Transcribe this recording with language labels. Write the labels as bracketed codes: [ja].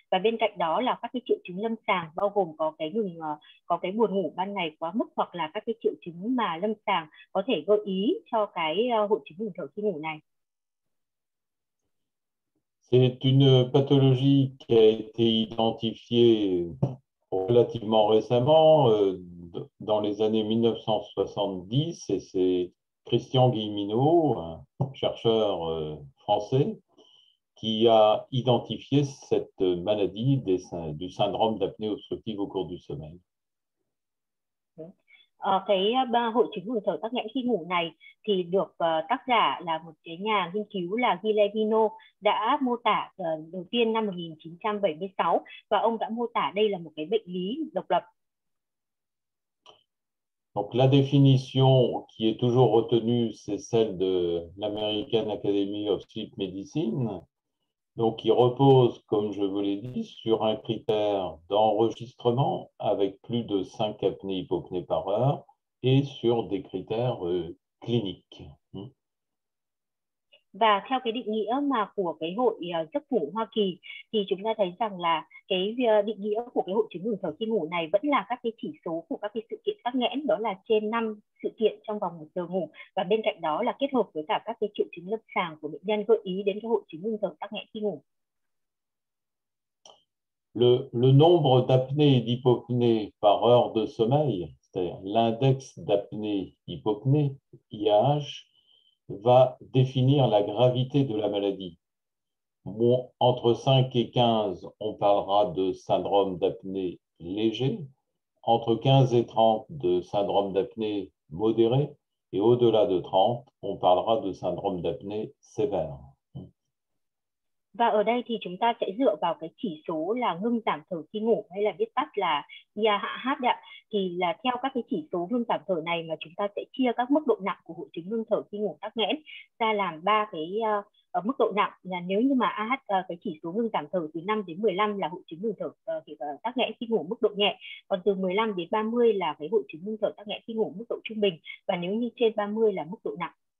[vi] Và bên cạnh đó là các cái triệu chứng lâm sàng bao gồm có cái buồn ngủ ban ngày quá mức hoặc là các cái triệu chứng mà lâm sàng có thể gợi ý cho cái hội chứng ngừng thở khi ngủ này. [fr] C'est une pathologie qui a été identifiée relativement récemment, dans les années 1970, et c'est Christian Guilleminault, un chercheur français, qui a identifié cette maladie du syndrome d'apnée obstructive au cours du sommeil. [vi] Cái hội chứng ngừng thở tắc nghẽn khi ngủ này thì được tác giả là một cái nhà nghiên cứu là Guillemino đã mô tả đầu tiên năm 1976, và ông đã mô tả đây là một cái bệnh lý độc lập. [fr] Donc la définition qui est toujours retenue, c'est celle de l'American Academy of Sleep Medicine, donc qui repose, comme je vous l'ai dit, sur un critère d'enregistrement avec plus de 5 apnées hypopnées par heure et sur des critères cliniques. [vi] Và theo cái định nghĩa mà của cái hội giấc ngủ Hoa Kỳ thì chúng ta thấy rằng là cái định nghĩa của cái hội chứng ngừng thở khi ngủ này vẫn là các cái chỉ số của các cái sự kiện tắc nghẽn, đó là trên 5 sự kiện trong vòng 1 giờ ngủ, và bên cạnh đó là kết hợp với cả các cái triệu chứng lâm sàng của bệnh nhân gợi ý đến cái hội chứng ngừng thở tắc nghẽn khi ngủ. [fr] Le nombre d'apnées et d'hypopnées par heure de sommeil, c'est-à-dire l'index d'apnée-hypopnée, IAH, va définir la gravité de la maladie. Bon, entre 5 et 15, on parlera de syndrome d'apnée léger, entre 15 et 30, de syndrome d'apnée modéré, et au-delà de 30, on parlera de syndrome d'apnée sévère. [vi] Và ở đây thì chúng ta sẽ dựa vào cái chỉ số là ngưng giảm thở khi ngủ, hay là viết tắt là IAH ạ. Thì là theo các cái chỉ số ngưng giảm thở này mà chúng ta sẽ chia các mức độ nặng của hội chứng ngưng thở khi ngủ tắc nghẽn ra làm ba cái mức độ nặng, là nếu như mà AH cái chỉ số ngưng giảm thở từ 5 đến 15 là hội chứng ngưng thở tắc nghẽn khi ngủ mức độ nhẹ, còn từ 15 đến 30 là cái hội chứng ngưng thở tắc nghẽn khi ngủ mức độ trung bình, và nếu như trên 30 là mức độ nặng.